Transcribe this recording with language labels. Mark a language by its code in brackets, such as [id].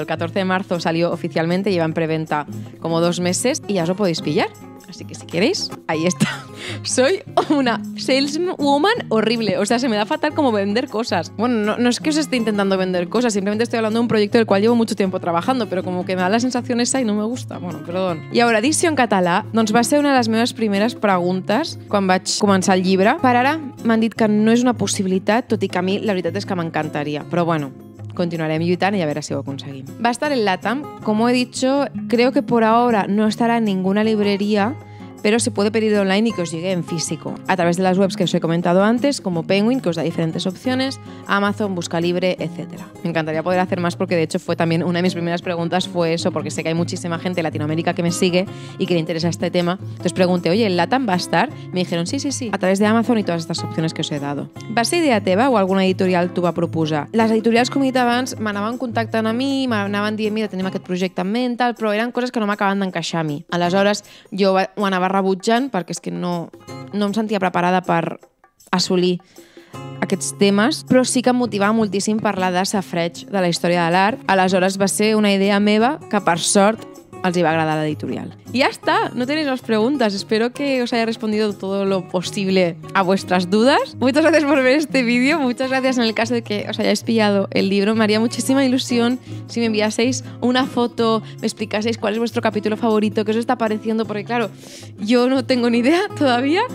[es] El 14 de marzo salió oficialmente, lleva en preventa como 2 meses y ya os lo podéis pillar. Así que si queréis, ahí está. Soy una saleswoman horrible. O sea, se me da fatal como vender cosas. Bueno, no es que os esté intentando vender cosas, simplemente estoy hablando de un proyecto del cual llevo mucho tiempo trabajando, pero como que me da la sensación esa y no me gusta. Bueno, perdón. [ca] I ara, dicció en català, doncs va ser una de les meves primeres preguntes quan vaig començar el llibre. Per ara m'han dit que no és una possibilitat, tot i que a mi la veritat és que m'encantaria. Però bueno, continuarem lluitant i a veure si ho aconseguim. Va estar en LATAM. Com he dit, [es] creo que por ahora no estará en ninguna librería, pero se puede pedir online y que os llegue en físico. A través de las webs que os he comentado antes, como Penguin, que os da diferentes opciones, Amazon, Buscalibre, etc. Me encantaría poder hacer más porque, de hecho, fue también una de mis primeras preguntas, fue eso, porque sé que hay muchísima gente de Latinoamérica que me sigue y que le interesa este tema. Entonces pregunté, oye, ¿el LATAM va a estar? Me dijeron, sí, a través de Amazon y todas estas opciones que os he dado. [ca] ¿Va ser idea teva o alguna editorial t'ho va proposar? Les editorials, com he dit abans, m'anaven contactant a mi, m'anaven dient, mira, tenim aquest projecte en ment, tal, però eren coses que no m'acaben d'encaixar a mi. Aleshores, jo ho anava rebutjant perquè és que no em sentia preparada per assolir aquests temes, però sí que em motivava moltíssim parlar de safareig de la història de l'art. Aleshores va ser una idea meva que per sort els hi va agradar l'editorial. [es] I ja està, no tenéis más preguntes. Espero que os haya respondido todo lo posible a vuestras dudas. Muchas gracias por ver este vídeo. Muchas gracias en el caso de que os hayáis pillado el libro. Me haría muchísima ilusión si me enviaseis una foto, me explicaseis cuál es vuestro capítulo favorito, qué os está pareciendo, porque claro, yo no tengo ni idea todavía.